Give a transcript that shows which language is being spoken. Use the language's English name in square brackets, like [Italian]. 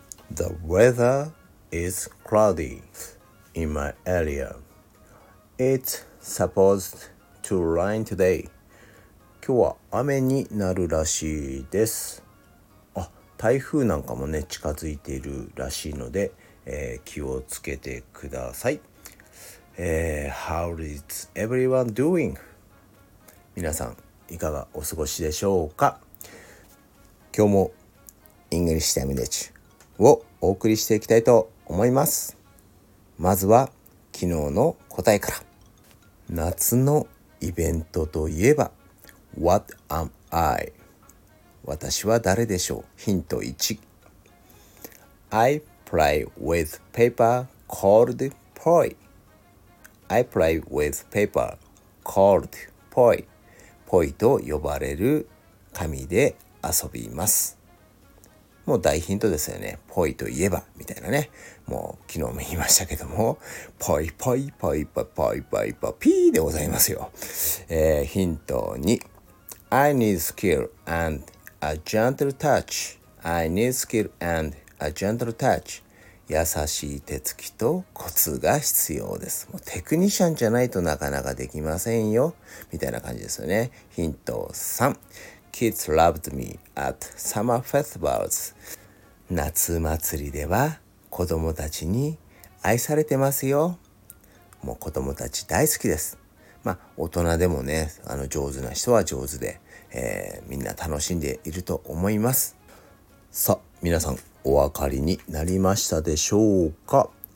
[English] The weather is cloudy in my area. It's supposed to rain today. [Japanese] 今日は雨になるらしいです。あ、台風なんかもね、近づいているらしいので、気をつけてください。 [English] How is everyone doing? [Japanese] 皆さん、いかがお過ごしでしょうか？今日も、English Language をお送りしていきたいと思います。まずは、昨日の答えから。夏のイベントといえば、 [English] What am I? [Japanese] 私は誰でしょう？ [English] ヒント1 I play with paper called poi. I play with paper called poi. [Japanese] ポイと呼ばれる紙で遊びます。もう大ヒントですよね。ポイといえばみたいなね。もう昨日も言いましたけども、ポイポイポイポイポイポイポイピーでございますよ。 [English] ヒント2I need skill and a gentle touch. I need skill and a gentle touch. [Japanese] 優しい手つきとコツが必要です。もうテクニシャンじゃないとなかなかできませんよ。みたいな感じですよね。ヒント3。 [English] Kids loved me at summer festivals. [Japanese] 夏祭りでは子供たちに愛されてますよ。もう子供たち大好きです。まあ大人でもね、あの上手な人は上手で。みんな楽しんでいると思います。さあ皆さんお分かりになりましたでしょうか？